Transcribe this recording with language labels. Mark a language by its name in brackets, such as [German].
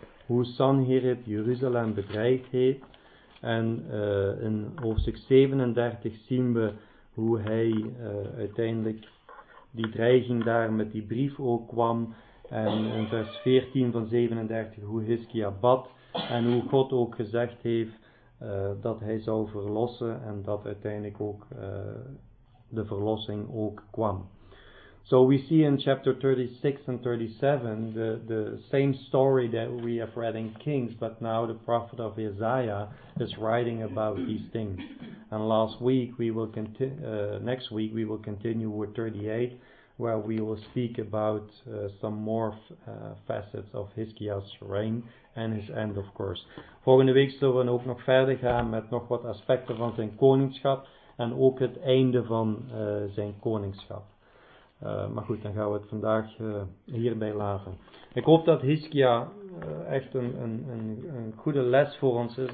[Dutch] Hoe Sanherib Jeruzalem bedreigd heeft. En in hoofdstuk 37 zien we hoe hij uiteindelijk die dreiging daar met die brief ook kwam. En in vers 14 van 37 hoe Hizkia bad. En hoe God ook gezegd heeft dat hij zou verlossen. En dat uiteindelijk ook de verlossing ook kwam. [English] So we see in chapter 36 and 37 the same story that we have read in Kings, but now the prophet of Isaiah is writing about these things. And next week we will continue with 38, where we will speak about some more facets of Hizkia's reign and his end, of course. [Dutch] Volgende week zullen we ook nog verder gaan met nog wat aspecten van zijn koningschap en ook het einde van zijn koningschap. Maar goed, dan gaan we het vandaag hierbij laten. Ik hoop dat Hizkia echt een goede les voor ons is.